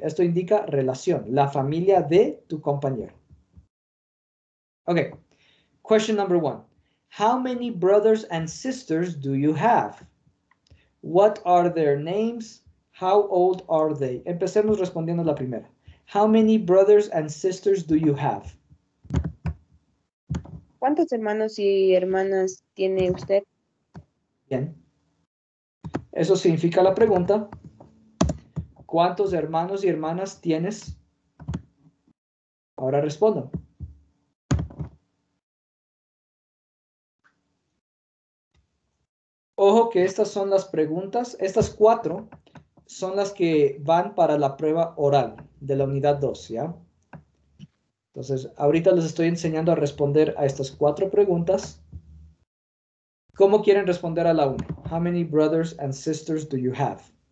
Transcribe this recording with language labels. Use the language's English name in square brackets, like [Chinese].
[Spanish] Esto indica relación, la familia de tu compañero. [English] Okay. Question number one. How many brothers and sisters do you have? What are their names? How old are they? [Spanish] Empecemos respondiendo la primera. [English] How many brothers and sisters do you have? [Spanish] ¿Cuántos hermanos y hermanas tiene usted? Bien. Eso significa la pregunta. ¿Cuántos hermanos y hermanas tienes? Ahora respondo. Ojo que estas son las preguntas, estas cuatro son las que van para la prueba oral de la unidad 2, ¿ya? Entonces, ahorita les estoy enseñando a responder a estas cuatro preguntas. ¿Cómo quieren responder a la 1? [English] How many brothers and sisters do you have?